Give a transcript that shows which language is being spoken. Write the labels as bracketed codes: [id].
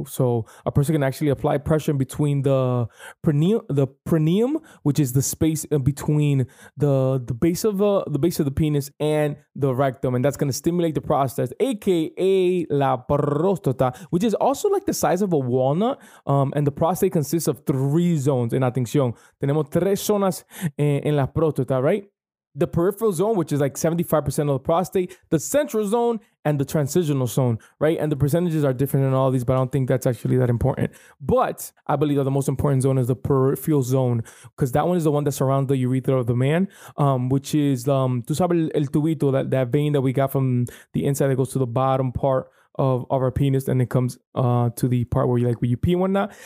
[en] So a person can actually apply pressure in between the perineum, which is the space in between the base of the penis and the rectum. And that's going to stimulate the prostate, a.k.a. [es] la próstata, [en] which is also like the size of a walnut. And the prostate consists of 3 zones. [es] En atención, tenemos 3 zonas en la próstata, right? [en] The peripheral zone, which is like 75% of the prostate, the central zone, and the transitional zone, right? And the percentages are different in all these, but I don't think that's actually that important. But I believe that the most important zone is the peripheral zone, because that one is the one that surrounds the urethra of the man, which is, [es] tú sabes el tubito, [en] that vein that we got from the inside that goes to the bottom part of our penis, and it comes to the part where you like where you pee and whatnot.